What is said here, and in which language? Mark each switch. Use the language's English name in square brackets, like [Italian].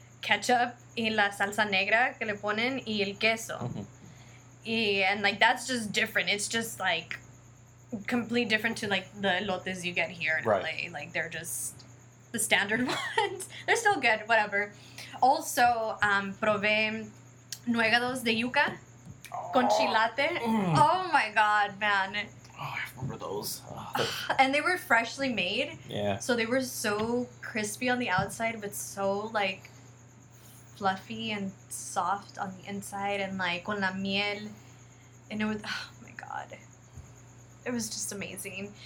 [Spanish] ketchup y la salsa negra que le ponen y el queso. Mm-hmm. [English] Y, and, like, that's just different. It's just, like, completely different to, like, the elotes you get here in LA. Like, they're just the standard ones. They're still good, whatever. [Spanish] Also, probé nuegados de yuca con chilate. [English] Mm. Oh, my God, man. Oh, I remember those. And they were freshly made. Yeah. So they were so crispy on the outside, but so, like, fluffy and soft on the inside and, like, [Spanish] con la miel. [English] And it was, oh, my God. It was just amazing.